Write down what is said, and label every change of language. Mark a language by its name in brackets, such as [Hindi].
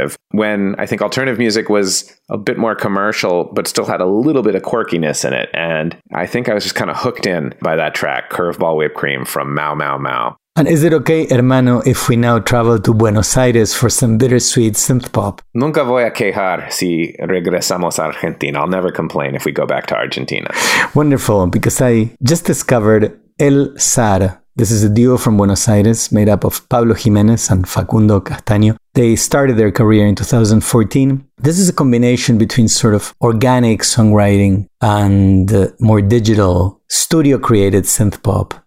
[English] When I think alternative music was a bit more commercial, but still had a little bit of quirkiness in it. And I think I was just kind of hooked in by that track, Curveball Whipped Cream from Maumaumau. And is it okay, hermano, if we now travel to Buenos Aires for some bittersweet synth pop? [Spanish] Nunca voy a quejar si regresamos a Argentina. [English] I'll never complain if we go back to Argentina. Wonderful, because I just discovered El Sar. This is a duo from Buenos Aires made up of Pablo Jimenez and Facundo Castaño. They started their career in 2014. This is a combination between sort of organic songwriting and more digital studio-created synth pop.